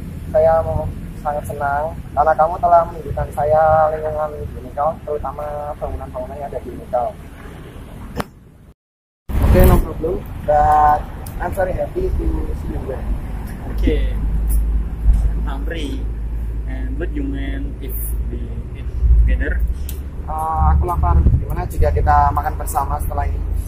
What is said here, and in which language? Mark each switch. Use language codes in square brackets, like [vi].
[id] Saya sangat senang karena kamu telah menunjukkan saya lingkungan Unical, terutama bangunan-bangunan yang ada di Unical. [en] Okay, no problem, but I'm very happy to see you there. Okay, I'm hungry, and what you mean if we eat together? [id] Aku lapar, gimana jika kita makan bersama setelah ini?